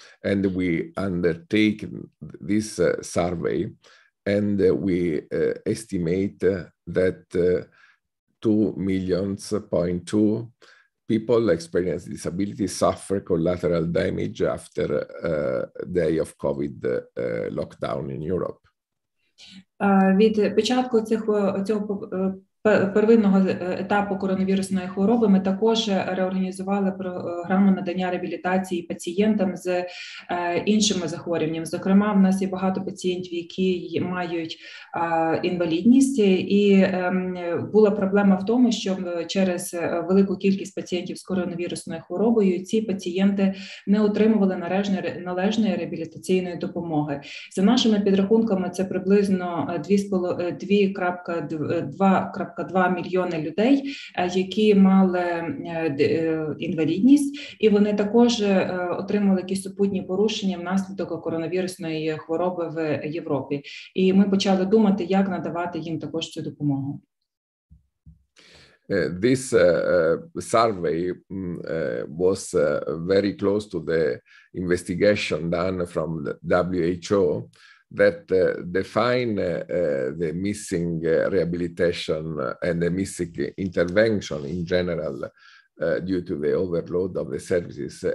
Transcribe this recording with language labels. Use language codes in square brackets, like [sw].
[en] And we undertake this survey, and we estimate that 2.2 million people experience disability suffer collateral damage after day of COVID lockdown in Europe. [uk] Від початку цього первинного етапу коронавірусної хвороби ми також реорганізували програму надання реабілітації пацієнтам з іншими захворюваннями. Зокрема, в нас є багато пацієнтів, які мають інвалідність, і була проблема в тому, що через велику кількість пацієнтів з коронавірусною хворобою ці пацієнти не отримували належної реабілітаційної допомоги. За нашими підрахунками, це приблизно 2.2 мільйони людей, які мали інвалідність, і вони також отримали якісь супутні порушення внаслідок коронавірусної хвороби в Європі. І ми почали думати, як надавати їм також цю допомогу. [en] This survey was very close to the investigation done from the WHO that define the missing rehabilitation and the missing intervention in general due to the overload of the services.